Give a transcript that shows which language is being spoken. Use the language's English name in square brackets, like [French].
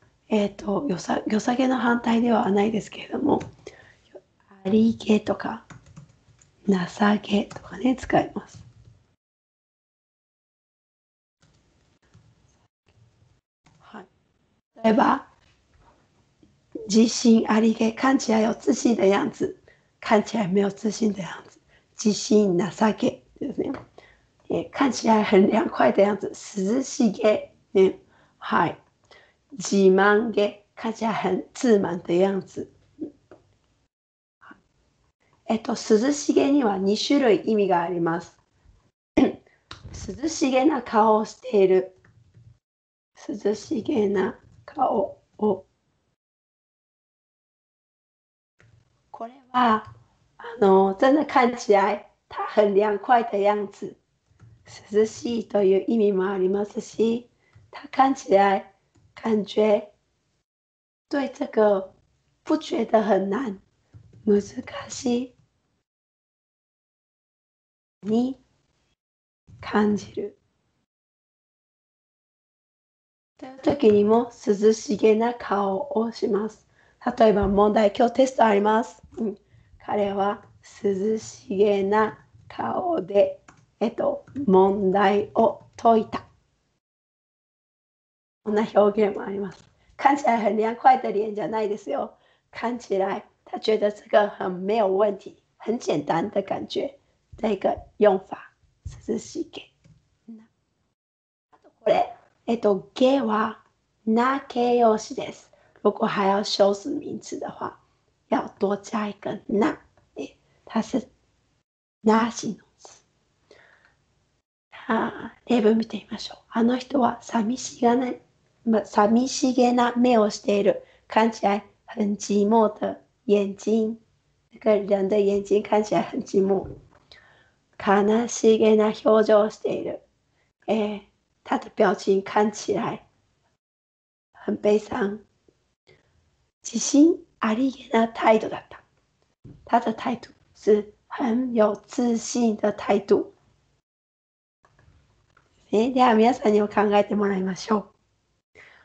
[Japanese] よさげの反対ではないですけれども、ありげとか、なさげとかね、使います。はい、例えば、自信ありげ、 [Chinese] 看起来有自信的样子。看起来没有自信的样子。 [Japanese] 自信なさげですね。 [Chinese] 看起来很凉快的样子。 [Japanese] 涼しげ、ね。はい。 [Chinese] 自慢げ、看起来很自慢的样子。 [Japanese] 涼しげには2種類意味があります。涼しげな顔をしている。涼しげな顔を。これは、 [Chinese] 真的看起来、他很凉快的样子。 [Japanese] 涼しいという意味もありますし、 [Chinese] 他看起来、感觉对这个不觉得很难 [Japanese] 難しいに感じるという時にも涼しげな顔をします。例えば問題、今日テストあります、うん、彼は涼しげな顔で問題を解いた。こんな表現もあります。 [Chinese] 看起来很凉快的脸 [Japanese] じゃないですよ。 [Chinese] 看起来他觉得这个很没有问题、很简单的感觉。这个用法、涼しげ。 [Japanese] あとこれ、げはな形容詞です。 [Chinese] 如果还要修饰名词的话、要多加一个な。它是な形容詞。 [Japanese] 例文見てみましょう。あの人は寂しがない。寂しげな目をしている。 [Chinese] 看起来很寂寞的眼睛。那个人的眼睛看起来很寂寞。 [Japanese] 悲しげな表情をしている。 [Chinese] 他的表情看起来很悲伤。 [Japanese] 自信ありげな態度だった。 [Chinese] 他的態度是很有自信的態度。 [Japanese] では皆さんにも考えてもらいましょう。